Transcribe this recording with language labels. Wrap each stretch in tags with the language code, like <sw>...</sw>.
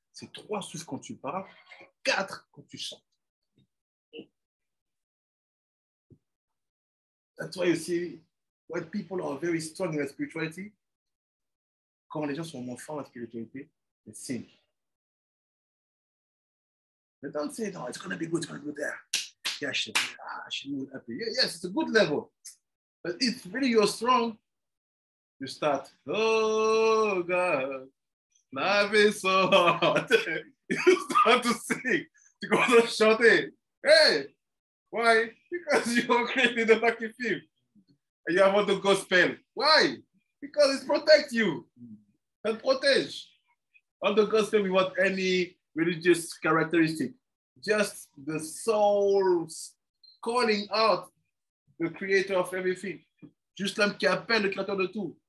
<fr>C'est trois souffles quand tu parles, quatre quand tu chantes.</fr> <en>That's why you see when people are very strong in their spirituality,</en> <fr>quand les gens sont moins forts en spiritualité,</fr> <en>they sink. They don't say, no, it's going to be good, it's going to be there. Yes, it's a good level. But if really you're strong, you start, oh God, life is so hard. You start to sing, to go to shout it. Hey, why? Because you are creating the lucky film. And you have all the gospel. Why? Because it protects you and protects. All the gospel without any religious characteristic. Just the soul calling out the creator of everything.</en> <fr>Just l'âme qui appelle le créateur de tout.</fr>